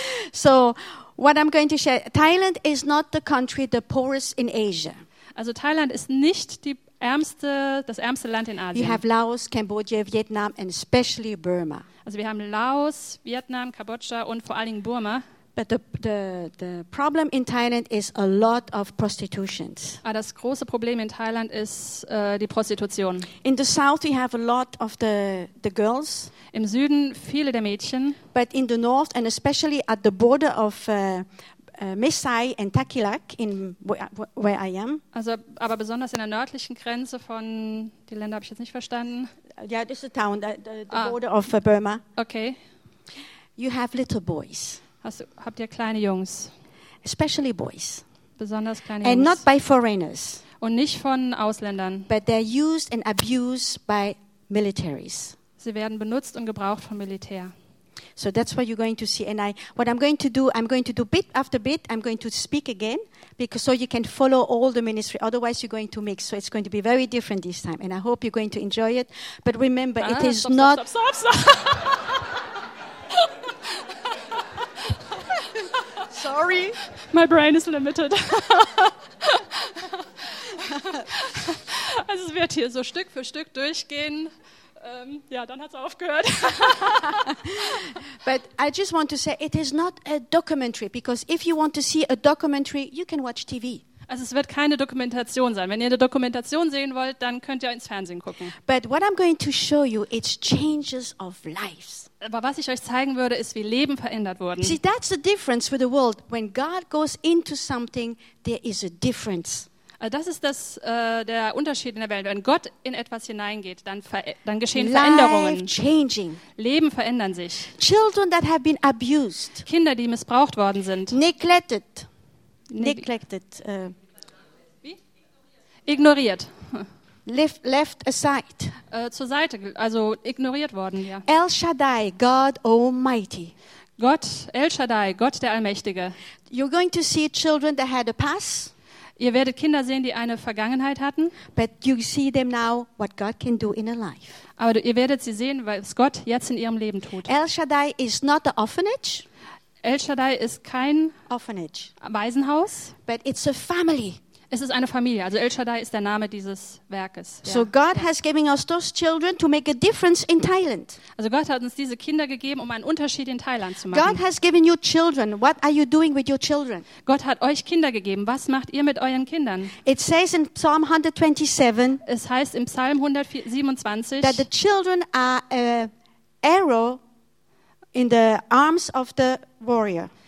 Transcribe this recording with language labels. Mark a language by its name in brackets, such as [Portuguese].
[English] So, what I'm going to share, Thailand is not the country the poorest in Asia. [German] Also Thailand ist nicht das ärmste Land in Asien. [English] You have Laos, Cambodia, Vietnam and especially Burma. [German] Also wir haben Laos, Vietnam, Kambodscha und vor allen Dingen Burma. [English] But the problem in Thailand is a lot of prostitution. [German] Aber das große Problem in Thailand ist die Prostitution. [English] In the south we have a lot of the girls. [German] Im Süden viele der Mädchen. [English] But in the north and especially at the border of Mesai and Takilak in where I am. [German] Also aber besonders in der nördlichen Grenze von die Länder habe ich jetzt nicht verstanden. [English] Yeah, this is the town, the border of Burma. Okay. You have little boys. [German] Habt ihr kleine Jungs? [English] Especially boys. [German] Besonders kleine [English] and [German] Jungs. [English] And not by foreigners. [German] Und nicht von Ausländern. [English] But they're used and abused by militaries. [German] Sie werden benutzt und gebraucht vom Militär. [English] So that's what you're going to see. And what I'm going to do, I'm going to do bit after bit, I'm going to speak again, because so you can follow all the ministry. Otherwise you're going to mix. So it's going to be very different this time. And I hope you're going to enjoy it. But remember, it is not... Sorry, my brain is limited. [German] Also es wird hier so Stück für Stück durchgehen. Ja, dann hat's aufgehört. [English] But I just want to say, it is not a documentary, because if you want to see a documentary, you can watch TV. [German] Also es wird keine Dokumentation sein. Wenn ihr eine Dokumentation sehen wollt, dann könnt ihr ins Fernsehen gucken. [English] But what I'm going to show you, it's changes of lives. [German] Aber was ich euch zeigen würde, ist, wie Leben verändert wurden. [English] See, that's the difference with the world. When God goes into something, there is a difference. [German] Das ist das der Unterschied in der Welt. Wenn Gott in etwas hineingeht, dann geschehen Veränderungen. [English] Life changing. [German] Leben verändern sich. [English] Children that have been abused. [German] Kinder, die missbraucht worden sind. [English] Neglected. neglected. [German] Wie? Ignoriert. [English] Left aside. [German] Zur Seite, also ignoriert worden, ja. [English] El Shaddai, God Almighty. [German] Gott, El Shaddai, Gott der Allmächtige. [English] You're going to see children that had a past. [German] Ihr werdet Kinder sehen, die eine Vergangenheit hatten. [English] But you see them now, what God can do in a life. [German] Aber ihr werdet sie sehen, was Gott jetzt in ihrem Leben tut. [English] El Shaddai is not an orphanage. [German] El Shaddai ist kein [English] orphanage. [German] Waisenhaus. [English] But it's a family. [German] Es ist eine Familie. Also El Shaddai ist der Name dieses Werkes. Ja. [English] So God has given us those children to make a difference in Thailand. [German] Also Gott hat uns diese Kinder gegeben, um einen Unterschied in Thailand zu machen. [English] God has given you children. What are you doing with your children? [German] Gott hat euch Kinder gegeben. Was macht ihr mit euren Kindern? [English] It says in Psalm 127. [German] Es heißt im Psalm 127. [English] That the children are an arrow in the arms of the warrior.